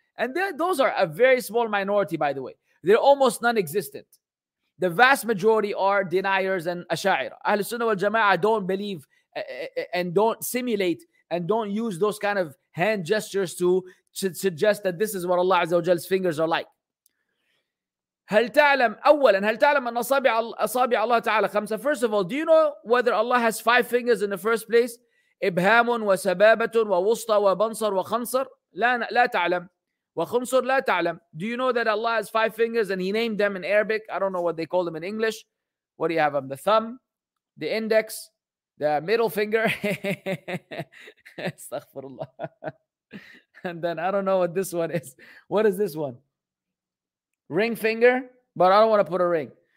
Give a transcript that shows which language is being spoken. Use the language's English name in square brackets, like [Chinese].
[English] And those are a very small minority, by the way. They're almost non-existent. The vast majority are deniers and asha'ira. Ahl Sunnah wal Jama'ah don't believe and don't simulate and don't use those kind of hand gestures to suggest that this is what Allah Azza wa Jalla's fingers are like. [Arabic] هل تعلم أولا هل تعلم أن أصابع الله تعالى خمسة. [English] First of all, do you know whether Allah has five fingers in the first place? [Arabic] إبهام وسبابة ووسطى وبنصر وخنصر. لا تعلم. وخنصر لا تعلم. [English] Do you know that Allah has five fingers and He named them in Arabic? I don't know what they call them in English. What do you have them? The thumb, the index, the middle finger. [Arabic] استغفر الله. [English] And then I don't know what this one is. What is this one? Ring finger, but I don't want to put a ring.